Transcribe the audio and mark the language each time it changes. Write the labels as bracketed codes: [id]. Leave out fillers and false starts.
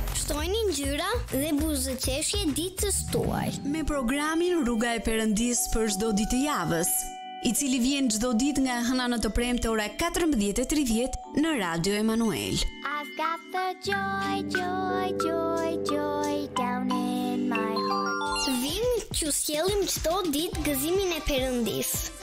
[sq] Shtojnë ngjyra dhe buzëqeshje ditës tuaj me programin Rruga e Perëndis për çdo ditë javës, i cili vjen çdo ditë nga hëna në të premte ora 14:30 në Radio Emanuel. [en] I've got the joy down in my heart. [sq] Vim që sjellim çdo ditë gëzimin e Perëndis.